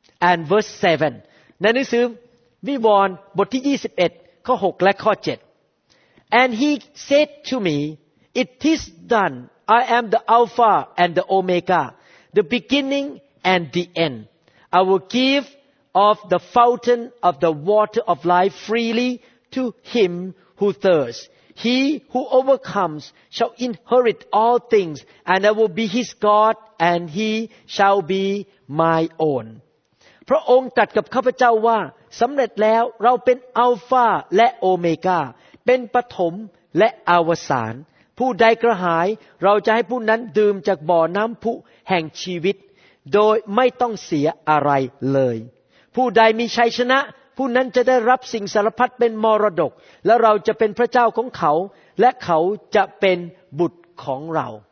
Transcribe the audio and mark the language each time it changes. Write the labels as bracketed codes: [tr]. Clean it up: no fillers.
[en] and verse 7 [th] ในหนังสือวิวรณ์บทที่21ข้อ6และข้อ7 [en] And he said to me It is done I am the Alpha and the Omega the beginning and the end I will give of the fountain of the water of life freely to himWho thirsts? He who overcomes shall inherit all things, and I will be his God, and he shall be my own. [th] พระองค์ตรัสกับข้าพเจ้าว่าสำเร็จแล้วเราเป็นอัลฟาและโอเมก้าเป็นปฐมและอวสานผู้ใดกระหายเราจะให้ผู้นั้นดื่มจากบ่อน้ำพุแห่งชีวิต โดยไม่ต้องเสียอะไรเลยผู้ใดมีชัยชนะผู้นั้นจะได้รับสิ่งสารพัดเป็นมรดกและเราจะเป็นพระเจ้าของเขาและเขาจะเป็นบุตรของเรา